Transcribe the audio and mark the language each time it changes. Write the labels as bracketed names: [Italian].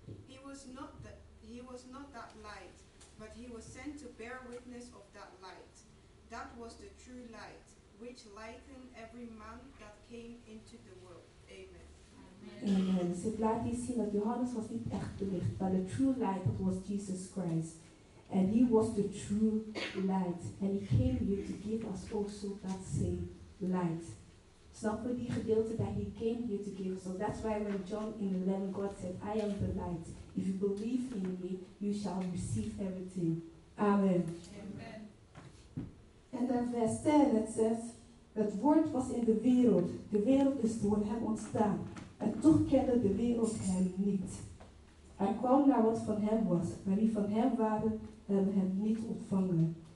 [English] He was not that light, but he was sent to bear witness of that light. That was the true light, which lightened every man that came into the world. Amen. Amen. [Dutch] Dus het laat hier zien dat Johannes was niet echt de licht, maar de [English] true light was Jesus Christ. And he was the true light. And he came here to give us also that same light. [Dutch] Snap je die gedeelte dat [English] he came here to give us? So that's why when John in 11, God said, I am the light. If you believe in me, you shall receive everything. Amen. Amen. [Dutch] En dan vers 10, het zegt, het woord was in de wereld. De wereld is door hem ontstaan. En toch kende de wereld hem niet. Hij kwam naar wat van hem was, maar die van hem waren, hebben hem niet ontvangen.